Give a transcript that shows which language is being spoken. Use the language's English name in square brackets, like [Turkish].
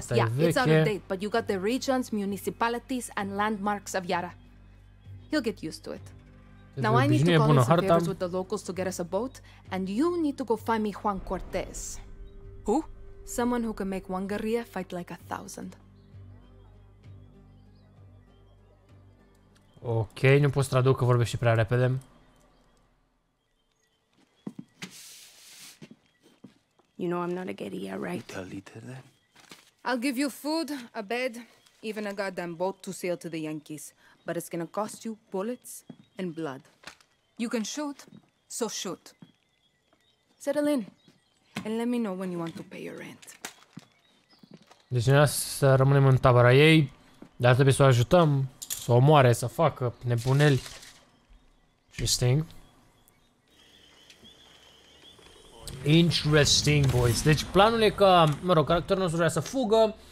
[English] Yeah, it's out of date, but you got the regions, municipalities, and landmarks of Yara. He'll get used to it. Now I need to call in some favors with the locals to get us a boat, and you need to go find me Juan Cortez. Who? Someone who can make one guerrilla fight like 1,000. [Romanian] Ok, nu pot traduc că vorbește prea repede. [English] You know I'm not a guerrilla, right? You tell Lita then. I'll give you food, a bed, even a goddamn boat to sail to the Yankees. But it's gonna cost you bullets and blood. You can shoot, so shoot. Settle in. And let me know when you want to pay your rent. [Romanian] Deci noi să rămânem în tabăra ei, dar trebuie să o ajutăm, să o omoare, să facă nebuneli. Interesting. [English] Interesting, boys. [Romanian] Deci planul e că, mă rog, caracterul nostru vrea să fugă.